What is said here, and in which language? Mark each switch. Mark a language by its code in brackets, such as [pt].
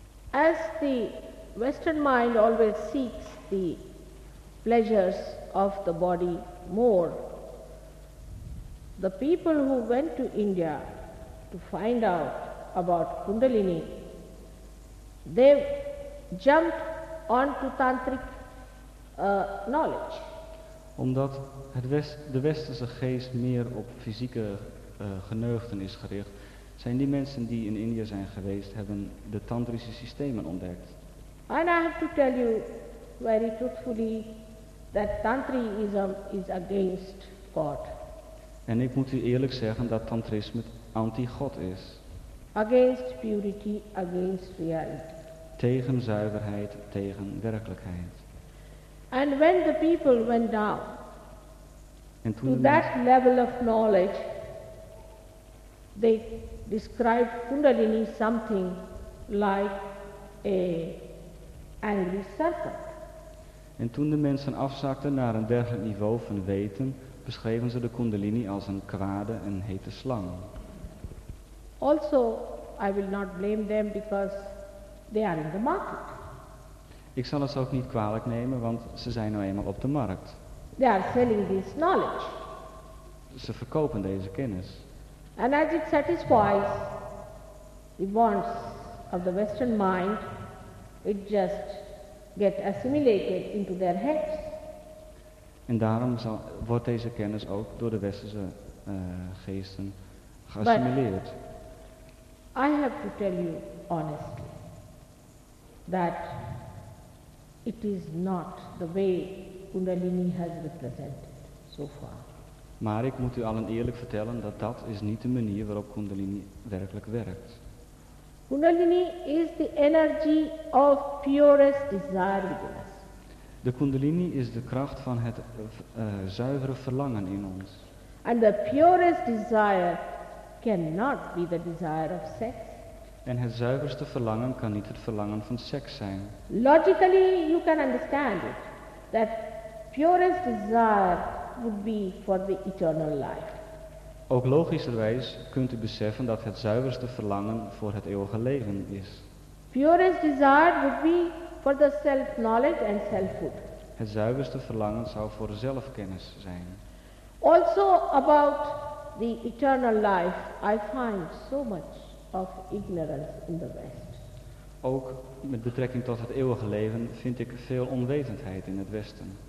[en] As the Western mind always seeks the pleasures of the body more, the people who went to India to find out about Kundalini, they jumped on to tantric knowledge. [nl] Omdat de westerse geest meer op fysieke geneugten is gericht, zijn die mensen die in India zijn geweest, hebben de tantrische systemen ontdekt. [en] And I have to tell you very truthfully that tantrism is against God. [nl] En ik moet u eerlijk zeggen dat tantrisme anti-God is. [en] Against purity, against reality. [nl] Tegen zuiverheid, tegen werkelijkheid. [en] And when the people went down to that level of knowledge, they described Kundalini something like a angry serpent. [nl] En toen de mensen afzakten naar een dergelijk niveau van weten, beschreven ze de Kundalini als een kwade en hete slang. [en] Also, I will not blame them because they are in the market. [nl] Ik zal het ook niet kwalijk nemen, want ze zijn nou eenmaal op de markt. [en] They are selling this knowledge. [nl] Ze verkopen deze kennis. [en] And as it satisfies the wants of the Western mind, it just gets assimilated into their heads. [nl] En daarom wordt deze kennis ook door de westerse geesten geassimileerd. [en] I have to tell you honestly that it is not the way Kundalini has represented so far. [nl] Maar ik moet u allen eerlijk vertellen dat dat is niet de manier waarop Kundalini werkelijk werkt. [en] Kundalini is the energy of purest desirableness. [nl] De Kundalini is de kracht van het zuivere verlangen in ons. [en] And the purest desire cannot be the desire of sex. [nl] En het zuiverste verlangen kan niet het verlangen van seks zijn. [en] Logically you can understand it, that purest desire would be for the eternal life. [nl] Ook logischerwijs kunt u beseffen dat het zuiverste verlangen voor het eeuwige leven is. [en] Purest desire would be for the self-knowledge and selfhood. [nl] Het zuiverste verlangen zou voor zelfkennis zijn. [en] Also about the eternal life, I find so much of ignorance in the West. [nl] Ook met betrekking tot het eeuwige leven vind ik veel onwetendheid in het Westen.